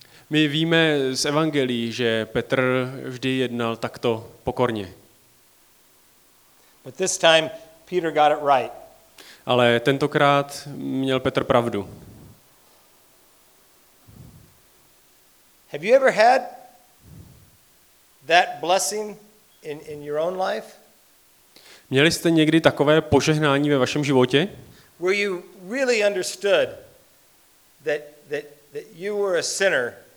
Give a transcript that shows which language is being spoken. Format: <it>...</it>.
<cs>My víme z evangelií, že Petr vždy jednal takto pokorně.</cs> <en>But this time Peter got it right.</en> <cs>Ale tentokrát měl Petr pravdu.</cs> <en>Have you ever had that blessing in your own life?</en> <cs>Měli jste někdy takové požehnání ve vašem životě?</cs> <en>Where you really understood that you were a sinner?</en>